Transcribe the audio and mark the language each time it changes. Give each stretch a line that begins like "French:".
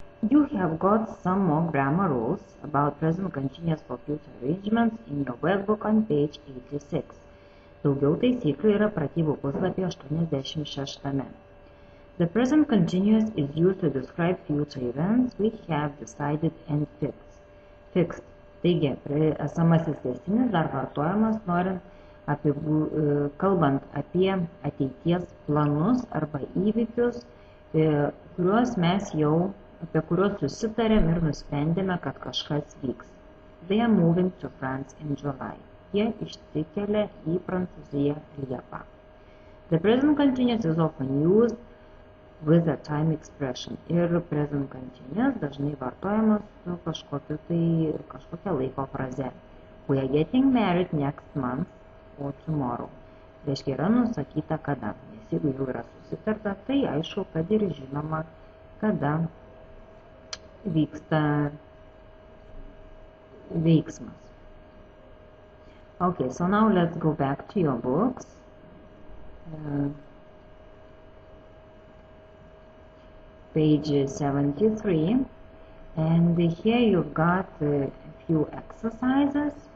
English: You have got some more grammar rules about present continuous for future arrangements in your workbook on page 86.
Lithuanian: Daugiau taisyklių yra pratybų puslapyje 86.
English: The present continuous is used to describe future events we have decided and fixed. Fixed.
Lithuanian: Taigi, esamasis tęsinis dar vartojamas norint kalbant apie ateities planus arba įvykius, kuriuos mes jau apie kuriuos susitarėm ir nusprendėme, kad kažkas vyks.
English: They are moving to France in July.
Lithuanian: Jie išsikelia į Prancūziją Liepą.
English: The present continuous is often used with a time expression.
Lithuanian: Ir present continuous dažnai vartojamas su kažkokiu tai kažkokia laiko fraze.
English: We are getting married next month or tomorrow.
Lithuanian: Reiškia yra nusakyta kada. Nes jeigu jau yra susitarta, tai aišku, kad ir žinoma, kada vyksta veiksmas.
English: Ok, so now let's go back to your books. Page 73. And here you've got a few exercises.